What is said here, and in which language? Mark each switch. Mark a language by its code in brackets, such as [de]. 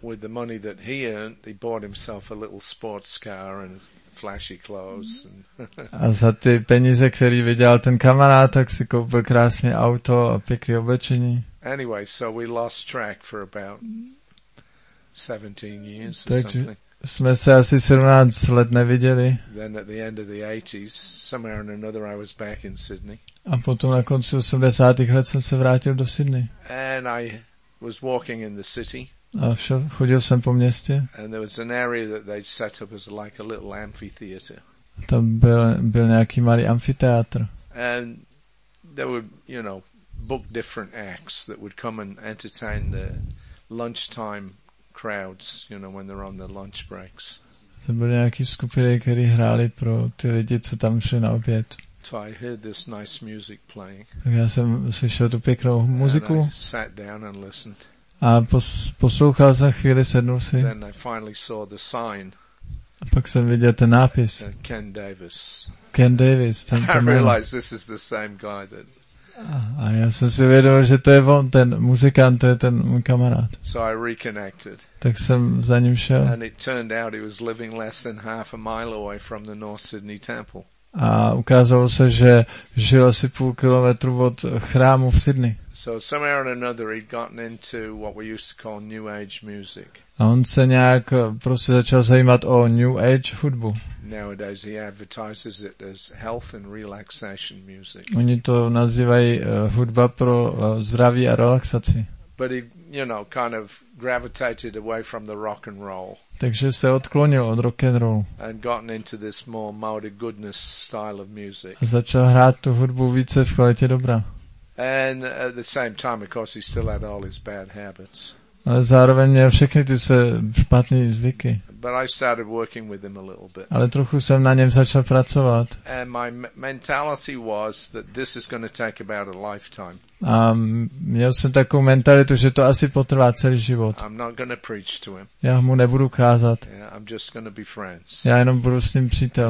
[en] With the money that he earned, he bought himself a little sports car and flashy clothes. [cs] A za ty peníze, které vydělal ten kamarád, tak si koupil krásné auto a pěkné oblečení. [en] Anyway, so we lost track for about 17 years or [cs] tak [en] something. [cs] Jsme se asi 17 let neviděli. [en] Then at the end of the 80s, somewhere or another, I was back in Sydney. [cs] A potom na konci 80. let jsem se vrátil do Sydney. [en] And I was walking in the city. [cs] A chodil jsem po městě. [en] And there was an area that they set up as like a little amphitheater. [cs] Tam byl nějaký malý amfiteátr. [en] And there were, you know, book different acts that would come and entertain the lunchtime crowds, you know, when they're on their lunch breaks. [cs] To byly nějaké skupiny, které hrály pro ty lidi, co tam šli na oběd. [en] So I heard this nice music playing. [cs] Tak já jsem slyšel tu pěknou muziku. [en] And I sat down and listened. [cs] A poslouchal jsem chvíli, sednul si. [en] Then I finally saw the sign. [cs] A pak jsem viděl ten nápis. [en] Ken Davis. [cs] Ken Davis. Ten [en] I realized this is the same guy that. [cs] A já jsem si vědomil, že to je on, ten muzikant, to je ten můj kamarád. [en] So I reconnected. [cs] Tak jsem za ním šel. [en] And it turned out he was living less than half a mile away from the North Sydney Temple. [cs] A ukázalo se, že žil asi půl kilometru od chrámu v Sydney. [en] So somehow or another he'd gotten into what we used to call New Age music. [cs] A on se nějak prostě začal zajímat o New Age hudbu. [en] Nowadays he advertises it as health and relaxation music. [cs] Oni to nazývají hudba pro zdraví a relaxaci. [en] But he, you know, kind of gravitated away from the rock and roll. [cs] Takže se odklonil od rock and roll. [en] And gotten into this more mode of goodness style of music. [cs] A začal hrát tu hudbu více v kvalitě dobra. [en] And at the same time, of course, he still had all his bad habits. [cs] Ale zároveň měl všechny ty své špatné zvyky. [en] But I started working with him a little bit. [cs] Ale trochu jsem na něm začal pracovat. [en] And my mentality was that this is going to take about a lifetime. [cs] A měl jsem takovou mentalitu, že to asi potrvá celý život. [en] I'm not going to preach to him. [cs] Já mu nebudu kázat. [en] Yeah, I'm just going to be friends. [cs] Já jenom budu s ním přítel.